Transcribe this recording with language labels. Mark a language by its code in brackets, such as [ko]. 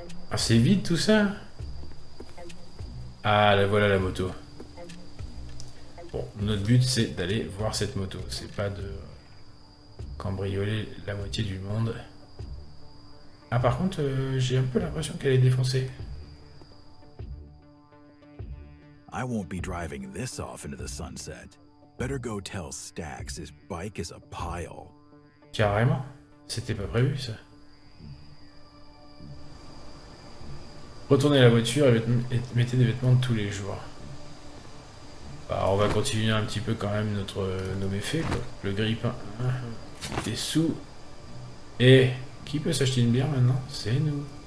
[fr] Ah, c'est vide tout ça. Ah, la voilà la moto. Bon, notre but c'est d'aller voir cette moto. C'est pas de cambrioler la moitié du monde. Ah, par contre, j'ai un peu l'impression qu'elle est défoncée. [en] I won't be driving this off into the sunset. Better go tell Stax his bike is a pile. [fr] Carrément, c'était pas prévu ça. Retournez à la voiture et mettez des vêtements de tous les jours. Bah, on va continuer un petit peu quand même nos méfaits, quoi. Le grippin est sous. Et qui peut s'acheter une bière maintenant? C'est nous.